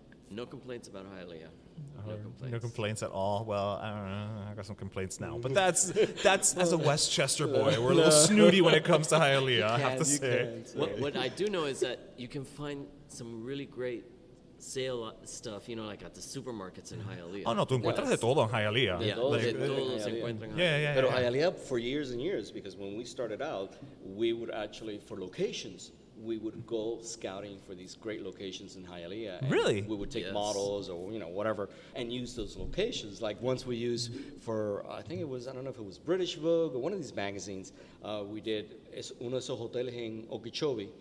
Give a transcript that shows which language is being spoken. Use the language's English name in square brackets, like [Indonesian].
[English] No complaints about Hialeah. No complaints at all. Well, I don't know. I got some complaints now. But that's as a Westchester boy, we're a little snooty when it comes to Hialeah, I have to say. What I do know is that you can find some really great sale stuff, you know, like at the supermarkets in Hialeah. [Spanish] Oh, no, tú encuentras de todo en Hialeah. [English] Yeah, Hialeah for years and years, because when we started out, we would actually, for locations, we would go scouting for these great locations in Hialeah. And really? We would take models or, you know, whatever, and use those locations. Like once we used for, I think it was, I don't know if it was British Vogue or one of these magazines, we did Es Uno de Hoteles en Okeechobee.